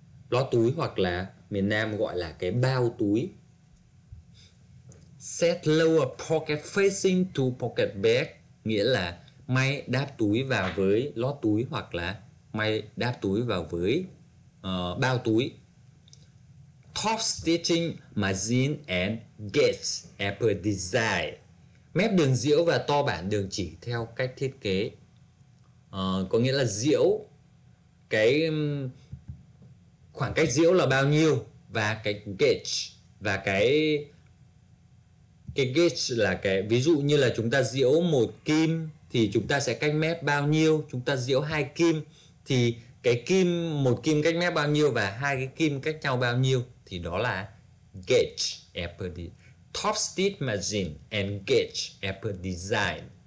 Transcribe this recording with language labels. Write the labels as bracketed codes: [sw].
[vi] Lót túi hoặc là miền Nam gọi là cái bao túi. [en] Set lower pocket facing to pocket back [vi] nghĩa là may đáp túi vào với lót túi, hoặc là may đáp túi vào với bao túi. [en] Top stitching margin and gauge as per design. [vi] Mép đường diễu và to bản đường chỉ theo cách thiết kế. Có nghĩa là diễu, cái khoảng cách diễu là bao nhiêu, và cái gauge, và cái gauge là cái ví dụ như là chúng ta diễu một kim thì chúng ta sẽ cách mép bao nhiêu, chúng ta diễu hai kim thì cái kim một kim cách mép bao nhiêu và hai cái kim cách nhau bao nhiêu, thì đó là [en] gauge as per design. Top stitch margin and gauge as per design.